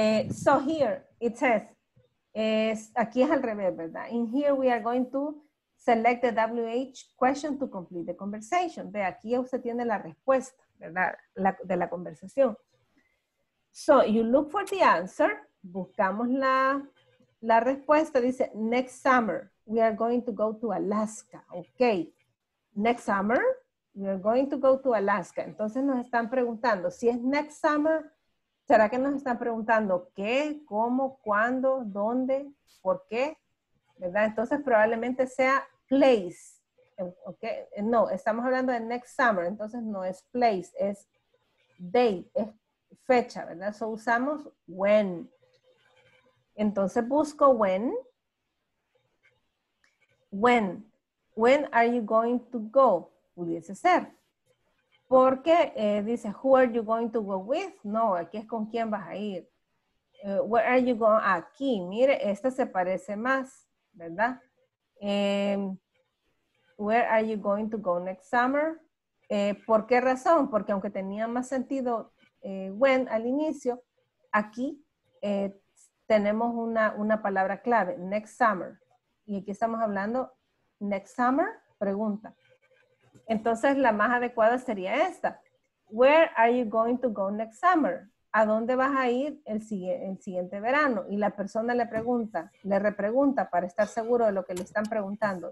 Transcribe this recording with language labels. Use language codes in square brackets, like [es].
[en] So here it says, [es] aquí es al revés, ¿verdad? [en] In here we are going to select the WH question to complete the conversation. [es] Ve, aquí usted tiene la respuesta, ¿verdad? De la conversación. [en] So, you look for the answer. [es] Buscamos la respuesta. [en] Dice, next summer, we are going to go to Alaska. Ok. Next summer, we are going to go to Alaska. [es] Entonces nos están preguntando, si es [en] next summer, [es] ¿Será que nos están preguntando qué, cómo, cuándo, dónde, por qué? ¿Verdad? Entonces probablemente sea place. Okay. No, estamos hablando de next summer, entonces no es place, es date, es fecha, ¿verdad? So usamos when. Entonces busco when. [en] When. When are you going to go? [es] Pudiese ser. Porque dice, [en] who are you going to go with? [es] No, aquí es con quién vas a ir. [en] Where are you going? [es] Aquí, mire, esta se parece más, ¿verdad? [en] Where are you going to go next summer? [es] ¿Por qué razón? Porque aunque tenía más sentido when al inicio, aquí tenemos una palabra clave, next summer. Y aquí estamos hablando, next summer, pregunta. Entonces la más adecuada sería esta. [en] Where are you going to go next summer? [es] ¿A dónde vas a ir el siguiente verano? Y la persona le pregunta, le repregunta para estar seguro de lo que le están preguntando.